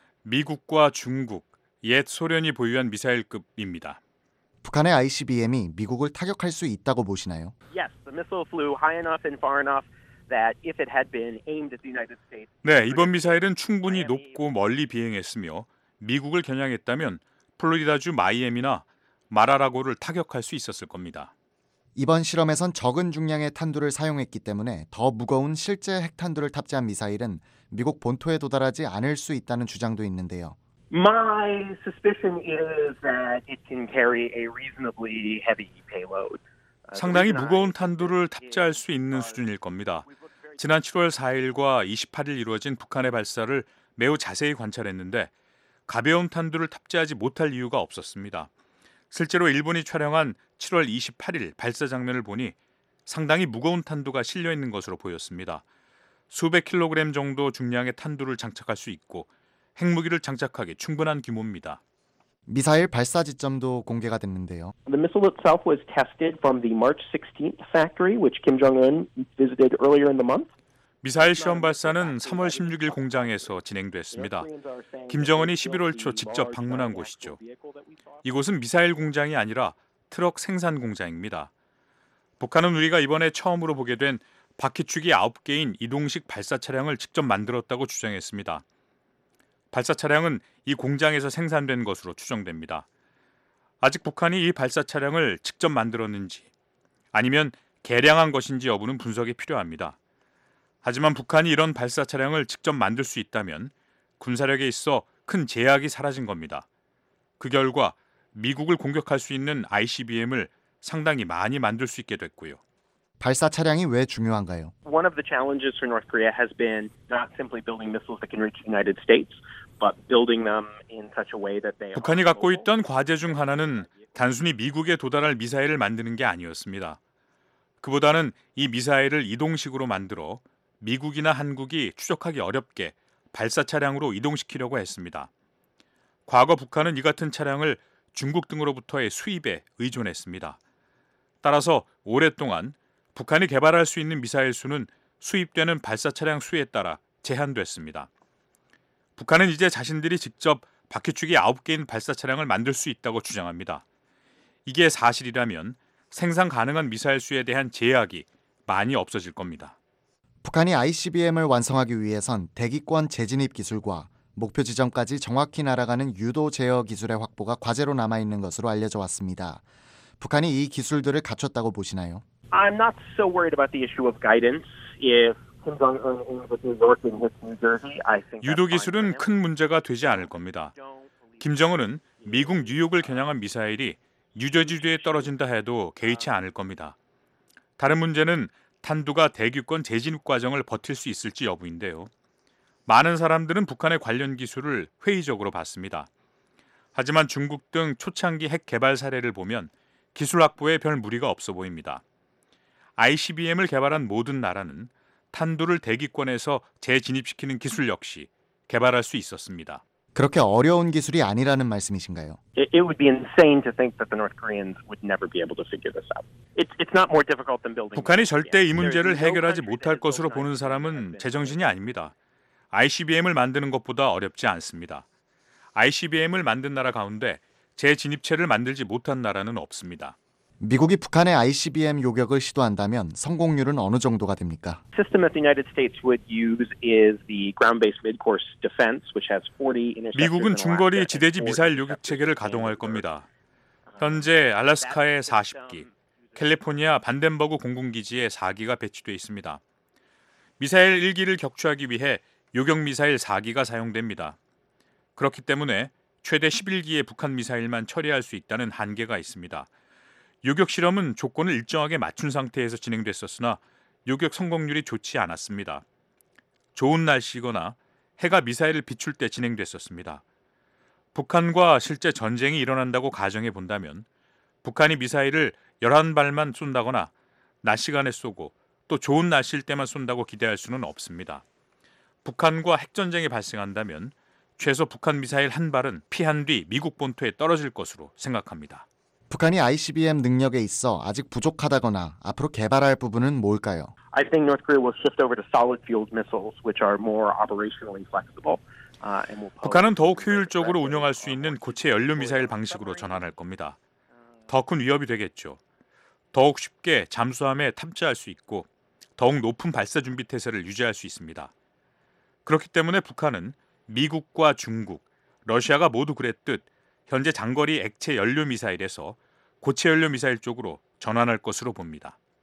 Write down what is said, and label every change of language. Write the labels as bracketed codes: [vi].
[ko] 미국과 중국, 옛 소련이 보유한 미사일급입니다. 북한의 ICBM이 미국을 타격할 수 있다고 보시나요? [en] Yes, the missile flew high enough and far enough that if it had been aimed at the United States. [ko] 네, 이번 미사일은 충분히 높고 멀리 비행했으며 미국을 겨냥했다면 플로리다주 마이애미나 마라라고를 타격할 수 있었을 겁니다. 이번 실험에선 적은 중량의 탄두를 사용했기 때문에 더 무거운 실제 핵탄두를 탑재한 미사일은 미국 본토에 도달하지 않을 수 있다는 주장도 있는데요. [en] My suspicion is that it can carry a reasonably heavy payload. [ko] 상당히 무거운 탄두를 탑재할 수 있는 수준일 겁니다. 지난 7월 4일과 28일 이루어진 북한의 발사를 매우 자세히 관찰했는데 가벼운 탄두를 탑재하지 못할 이유가 없었습니다. 실제로 일본이 촬영한 7월 28일 발사 장면을 보니 상당히 무거운 탄두가 실려있는 것으로 보였습니다. 수백 킬로그램 정도 중량의 탄두를 장착할 수 있고 핵무기를 장착하기 충분한 규모입니다. 미사일 발사 지점도 공개가 됐는데요. [en] The missile itself was tested from the March 16th factory, which Kim Jong-un visited earlier in the month. [ko] 미사일 시험 발사는 3월 16일 공장에서 진행됐습니다. 김정은이 11월 초 직접 방문한 곳이죠. 이곳은 미사일 공장이 아니라 트럭 생산 공장입니다. 북한은 우리가 이번에 처음으로 보게 된 바퀴축이 9개인 이동식 발사 차량을 직접 만들었다고 주장했습니다. 발사 차량은 이 공장에서 생산된 것으로 추정됩니다. 아직 북한이 이 발사 차량을 직접 만들었는지 아니면 개량한 것인지 여부는 분석이 필요합니다. 하지만 북한이 이런 발사 차량을 직접 만들 수 있다면 군사력에 있어 큰 제약이 사라진 겁니다. 그 결과 미국을 공격할 수 있는 ICBM을 상당히 많이 만들 수 있게 됐고요. 발사 차량이 왜 중요한가요? [en] One of the challenges for North Korea has been not simply building missiles that can reach the United States, but building them in such a way that they. [ko] 북한이 갖고 있던 과제 중 하나는 단순히 미국에 도달할 미사일을 만드는 게 아니었습니다. 그보다는 이 미사일을 이동식으로 만들어 미국이나 한국이 추적하기 어렵게 발사 차량으로 이동시키려고 했습니다. 과거 북한은 이 같은 차량을 중국 등으로부터의 수입에 의존했습니다. 따라서 오랫동안 북한이 개발할 수 있는 미사일 수는 수입되는 발사 차량 수에 따라 제한됐습니다. 북한은 이제 자신들이 직접 바퀴축이 9개인 발사 차량을 만들 수 있다고 주장합니다. 이게 사실이라면 생산 가능한 미사일 수에 대한 제약이 많이 없어질 겁니다. 북한이 ICBM을 완성하기 위해선 대기권 재진입 기술과 목표 지점까지 정확히 날아가는 유도 제어 기술의 확보가 과제로 남아있는 것으로 알려져 왔습니다. 북한이 이 기술들을 갖췄다고 보시나요? [en] I'm not so worried about the issue of guidance. If Kim Jong-un aims at New York and hits New Jersey, I think [ko] 유도 기술은 큰 문제가 되지 않을 겁니다. 김정은은 미국 뉴욕을 겨냥한 미사일이 뉴저지주에 떨어진다 해도 개의치 않을 겁니다. 다른 문제는 탄두가 대기권 재진입 과정을 버틸 수 있을지 여부인데요. 많은 사람들은 북한의 관련 기술을 회의적으로 봤습니다. 하지만 중국 등 초창기 핵 개발 사례를 보면 기술 확보에 별 무리가 없어 보입니다. ICBM을 개발한 모든 나라는 탄두를 대기권에서 재진입시키는 기술 역시 개발할 수 있었습니다. 그렇게 어려운 기술이 아니라는 말씀이신가요? [en] It would be insane to think that the North Koreans would never be able to figure this out. It's not more difficult than building. [ko] 북한이 절대 이 문제를 해결하지 못할 것으로 보는 사람은 제정신이 아닙니다. ICBM을 만드는 것보다 어렵지 않습니다. ICBM을 만든 나라 가운데 재진입체를 만들지 못한 나라는 없습니다. 미국이 북한의 ICBM 요격을 시도한다면 성공률은 어느 정도가 됩니까? [en] System that the United States would use is the ground-based mid-course defense, which has 40 interceptors. [ko] 미국은 중거리 지대지 미사일 요격 체계를 가동할 겁니다. 현재 알래스카에 40기, 캘리포니아 반덴버그 공군기지에 4기가 배치돼 있습니다. 미사일 1기를 격추하기 위해 요격 미사일 4기가 사용됩니다. 그렇기 때문에 최대 11기의 북한 미사일만 처리할 수 있다는 한계가 있습니다. 요격 실험은 조건을 일정하게 맞춘 상태에서 진행됐었으나 요격 성공률이 좋지 않았습니다. 좋은 날씨거나 해가 미사일을 비출 때 진행됐었습니다. 북한과 실제 전쟁이 일어난다고 가정해 본다면 북한이 미사일을 11발만 쏜다거나 낮 시간에 쏘고 또 좋은 날씨일 때만 쏜다고 기대할 수는 없습니다. 북한과 핵전쟁이 발생한다면 최소 북한 미사일 한 발은 피한 뒤 미국 본토에 떨어질 것으로 생각합니다. 북한이 ICBM 능력에 있어 아직 부족하다거나 앞으로 개발할 부분은 뭘까요? [en] I think North Korea will shift over to solid fueled missiles which are more operationally flexible. [ko] 북한은 더욱 효율적으로 운영할 수 있는 고체 연료 미사일 방식으로 전환할 겁니다. 더 큰 위협이 되겠죠. 더욱 쉽게 잠수함에 탑재할 수 있고 더욱 높은 발사 준비 태세를 유지할 수 있습니다. 그렇기 때문에 북한은 미국과 중국, 러시아가 모두 그랬듯 현재 장거리 액체 연료 미사일에서 고체 연료 미사일 쪽으로 전환할 것으로 봅니다.